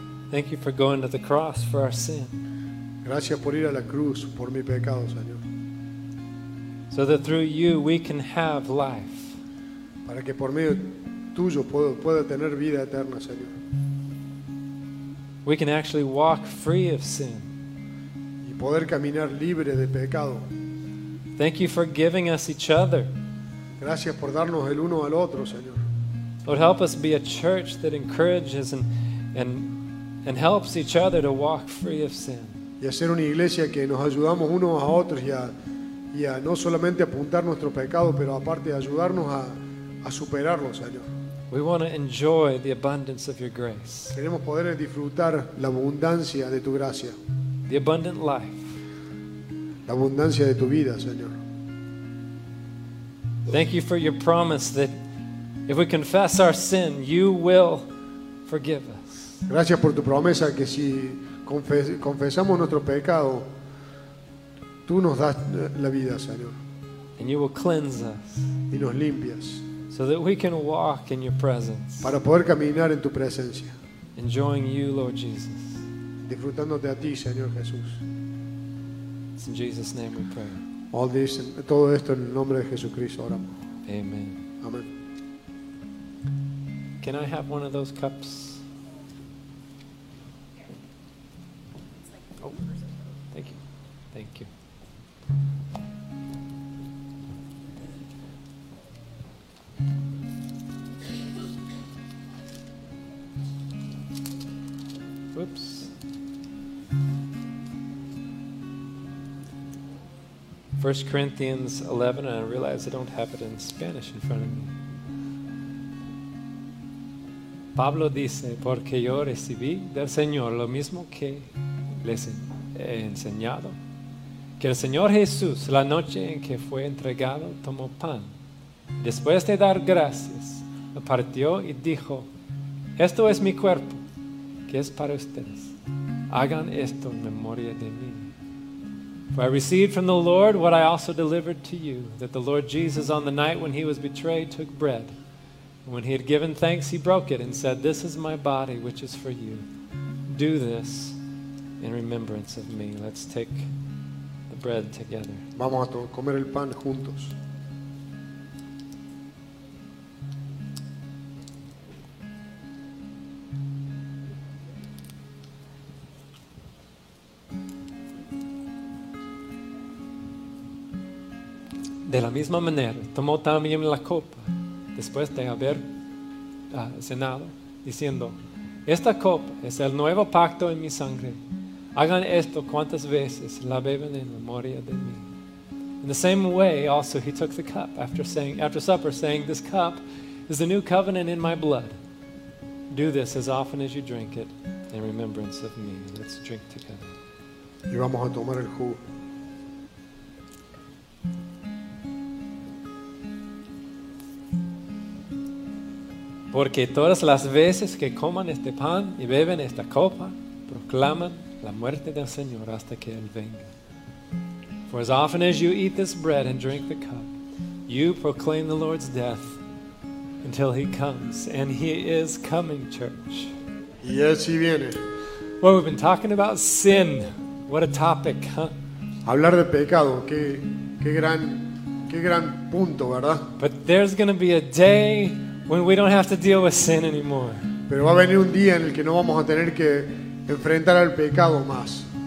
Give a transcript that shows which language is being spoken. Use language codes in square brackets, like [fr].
[en] Thank you for going to the cross for our sin. [es] Gracias por ir a la cruz por mi pecado, Señor. [en] So that through you we can have life. [es] Para que por medio tuyo pueda tener vida eterna, Señor. [en] We can actually walk free of sin. [es] Y poder caminar libre de pecado. [en] Thank you for giving us each other. [es] Gracias por darnos el uno al otro, Señor. [en] Lord, help us be a church that encourages and helps each other to walk free of sin. [es] Y hacer una iglesia que nos ayudamos unos a otros y a no solamente apuntar nuestro pecado, pero aparte ayudarnos a superarlo, Señor. [en] We want to enjoy the abundance of your grace. [es] Queremos poder disfrutar la abundancia de tu gracia. [en] The abundant life. [es] La abundancia de tu vida, Señor. [en] Thank you for your promise that if we confess our sin, you will forgive us. [es] Gracias por tu promesa que si confesamos nuestro pecado, tú nos das la vida, Señor. [en] And you will cleanse us. [es] Y nos limpias. [en] So that we can walk in your presence. [es] Para poder caminar en tu presencia. [en] Enjoying you, Lord Jesus. [es] disfrutándote a ti, Señor Jesús. [en] It's in Jesus' name we pray. All this, [es] todo esto en el nombre de Jesucristo oramos. [en] Amen. [es] Amen. [en] Can I have one of those cups? Oh, thank you. Thank you. Whoops. First Corinthians 11, and I realize I don't have it in Spanish in front of me. [es] Pablo dice, porque yo recibí del Señor lo mismo que les he enseñado, que el Señor Jesús, la noche en que fue entregado, tomó pan. Después de dar gracias, lo partió y dijo, esto es mi cuerpo, que es para ustedes. Hagan esto en memoria de mí. [en] For I received from the Lord what I also delivered to you, that the Lord Jesus, on the night when he was betrayed, took bread. And when he had given thanks, he broke it and said, this is my body, which is for you. Do this in remembrance of me. Let's take the bread together. [es] Vamos a comer el pan juntos. De la misma manera, tomó también la copa, después de haber cenado, diciendo, esta copa es el nuevo pacto en mi sangre. Hagan esto cuantas veces la beben en memoria de mí. [en] In the same way, also, he took the cup after supper, saying, this cup is the new covenant in my blood. Do this as often as you drink it in remembrance of me. Let's drink together. [es] Y vamos a tomar el jugo. Porque todas las veces que coman este pan y beben esta copa, proclaman la muerte del Señor hasta que Él venga. [en] For as often as you eat this bread and drink the cup, you proclaim the Lord's death until He comes. And He is coming, church. Yes, He [es] viene. [en] Well, we've been talking about sin. What a topic, huh? [es] Hablar de pecado, qué gran punto, ¿verdad? [en] But there's going to be a day when we don't have to deal with sin anymore. [es] Pero va a venir un día en el que no vamos a tener que enfrentar al pecado más.